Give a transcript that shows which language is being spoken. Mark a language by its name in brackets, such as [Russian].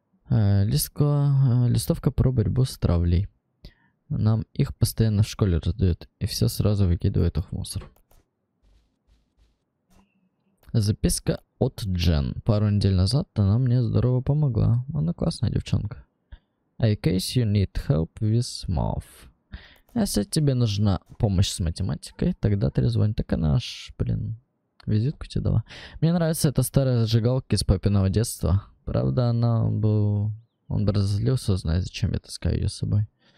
[Russian] Листовка про борьбу с травлей. Нам их постоянно в школе раздают, и все сразу выкидывают их в мусор. Записка от Джен. Пару недель назад она мне здорово помогла. Она классная девчонка. [English] In case you need help with math. [Russian] Если тебе нужна помощь с математикой, тогда ты звони. Так она аж, блин, визитку тебе дала. Мне нравится эта старая зажигалка из папиного детства. Правда, она был... Он бы разозлился, узнать, зачем я таскаю ее с собой.